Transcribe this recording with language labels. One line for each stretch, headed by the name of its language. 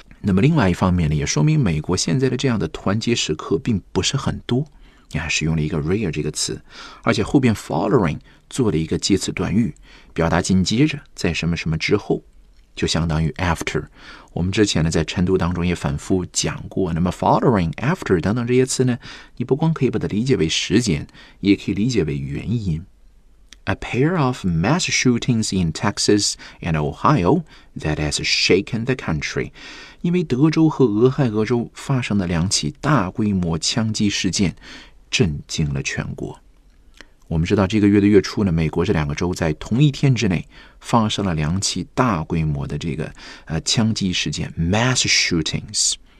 Chinese: 那么另外一方面呢也说明美国现在的这样的团结时刻并不是很多，你还使用了一个 rare 这个词，而且后边 following 做了一个介词短语表达紧接着在什么什么之后，就相当于 after, 我们之前呢在晨读当中也反复讲过，那么 following, after 等等这些词呢你不光可以把它理解为时间，也可以理解为原因。
English: A pair of mass shootings in Texas and Ohio that has shaken the country.
Chinese: 因为德州和俄亥俄州发生的两起大规模枪击事件震惊了全国。我们知道这个月的月初呢，美国这两个州在同一天之内发生了两起大规模的这个枪击事件
English: mass shootings。